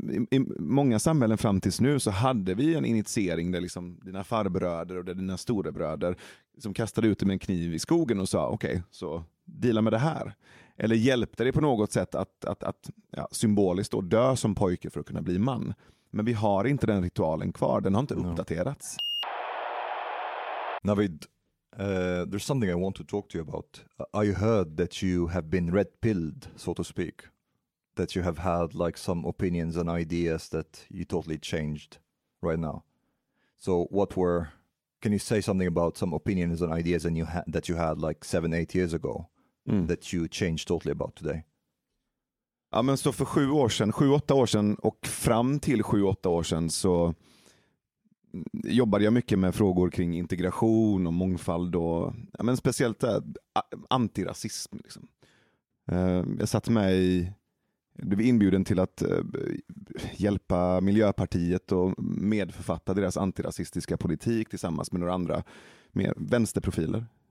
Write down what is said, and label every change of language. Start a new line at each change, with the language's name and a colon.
Swedish: I många samhällen fram tills nu så hade vi en initiering där liksom dina farbröder och där dina storebröder som kastade ut dig med en kniv i skogen och sa okej, så deala med det här. eller hjälpte det på något sätt att ja, symboliskt då dö som pojke för att kunna bli man. Men vi har inte den ritualen kvar, den har inte uppdaterats.
English: Navid, there's something I want to talk to you about. I heard that you have been red-pilled, so to speak. That you have had like some opinions and ideas that you totally changed right now. So what were, can you say something about some opinions and ideas and you that you had like 7-8 years ago that you changed totally about today?
Swedish: Ja, men så för 7-8 år sedan och fram till 7-8 år sedan så jobbade jag mycket med frågor kring integration och mångfald och ja, men speciellt antirasism. Liksom. Jag satt med i, blev inbjuden till att hjälpa Miljöpartiet och medförfatta deras antirasistiska politik tillsammans med några andra mer vänsterprofiler.